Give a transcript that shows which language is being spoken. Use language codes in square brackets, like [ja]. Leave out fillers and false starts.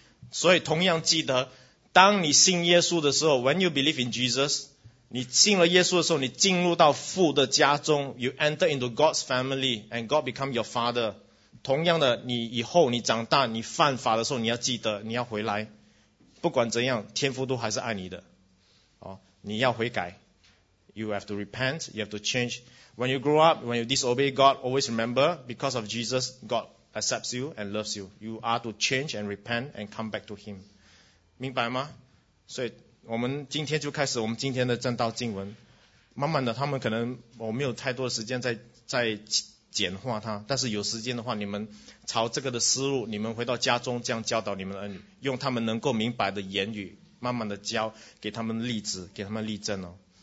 [zh] 所以同样记得，当你信耶稣的时候 ， [en] When you believe in Jesus， [zh] 你信了耶稣的时候，你进入到父的家中 ， [en] You enter into God's family and God become your father。 [zh] 同样的，你以后你长大你犯法的时候，你要记得你要回来，不管怎样天父都还是爱你的、哦、你要悔改。 [en] You have to repent, you have to change. When you grow up, when you disobey God, always remember because of Jesus God accepts you and loves you. You are to change and repent and come back to him. [zh] 明白吗？所以我们今天就开始我们今天的正道经文。慢慢的，他们可能我没有太多的时间在简化它，但是有时间的话，你们朝这个的思路，你们回到家中这样教导你们的儿女，用他们能够明白的言语，慢慢的教，给他们例子，给他们例证哦。